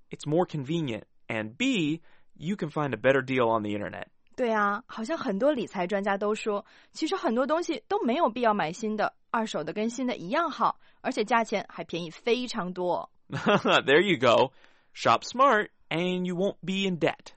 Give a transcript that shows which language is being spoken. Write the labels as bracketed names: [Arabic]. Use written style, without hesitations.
[English] It's more convenient, and B, you can find a better deal on the internet. [Chinese] 对啊，好像很多理财专家都说，其实很多东西都没有必要买新的，二手的跟新的一样好，而且价钱还便宜非常多。 [English] There you go. Shop smart, and you won't be in debt.